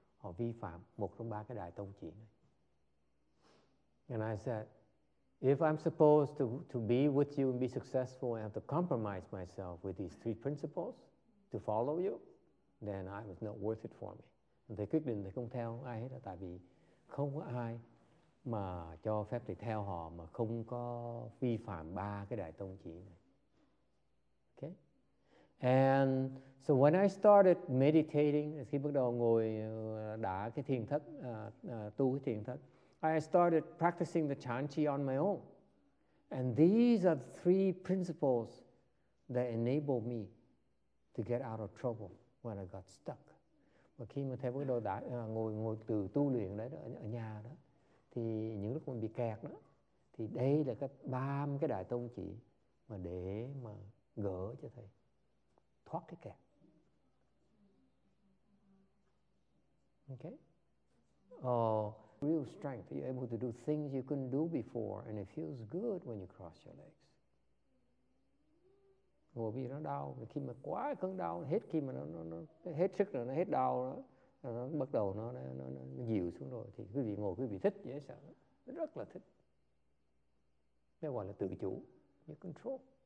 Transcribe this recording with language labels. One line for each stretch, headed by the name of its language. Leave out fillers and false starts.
Vietnamese: họ vi phạm một trong ba cái đại tông chỉ này.
English: And I said, if I'm supposed to be with you and be successful, I have to compromise myself with these three principles to follow you, then I was not worth it for me.
Vietnamese: And thầy quyết định thầy không theo ai hết, tại vì không có ai mà cho phép thầy theo họ mà không có vi phạm ba cái đại tông chỉ này.
English: Okay. And so when I started meditating,
Vietnamese: khi bắt đầu ngồi đã cái thiền thất,
English: tu cái thiền thất, I started practicing the Chan Chi on my own. And these are the three principles that enabled me to get out of trouble when I got stuck.
Vietnamese: Và khi mà thầy bắt đầu đã ngồi từ tu luyện đấy đó, ở nhà đó, thì những lúc mình bị kẹt đó, thì đây là cái ba cái đại tông chỉ mà để mà gỡ cho thầy thoát cái kẹt.
English: Okay. Real strength. You're able to do things you couldn't do before, and it feels good when you cross your legs.
Vietnamese: Ngồi vì nó đau, khi mà quá cơn đau hết, khi mà nó hết sức rồi, nó hết đau rồi, nó bắt đầu nó dịu xuống rồi, thì quý vị ngồi quý vị thích dễ sợ, rất là thích. Nó gọi là tự chủ,
English: you control.